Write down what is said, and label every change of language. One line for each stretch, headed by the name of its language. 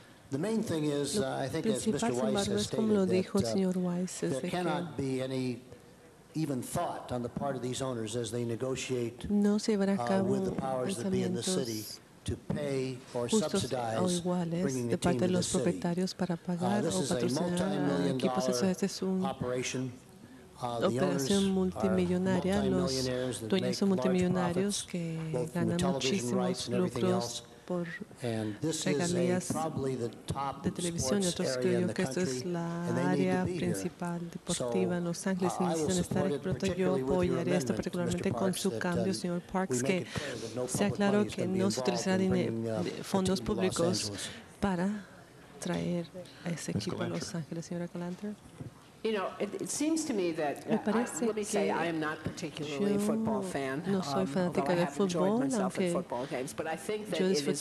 English: The main thing is, I think, as Mr. Weiss has stated, that there cannot be any even thought on the part of these owners as they negotiate with the powers that be in the city to pay or subsidize bringing a team to the city. This is a multi-million dollar operation.
Spanish: Operación multimillonaria, los dueños son multimillonarios que ganan muchísimos lucros por regalías de televisión y otros. Creo que esta es la área principal deportiva en Los Ángeles y necesitan estar aquí pronto. Yo apoyaré esto particularmente con su cambio, señor Parks, que sea claro que no se utilizará fondos públicos para traer a ese equipo a Los Ángeles, señora Calantra.
English: You know, it seems to me that, let me say, I am not particularly a football fan, although I have enjoyed myself at football games, but I think that it is worth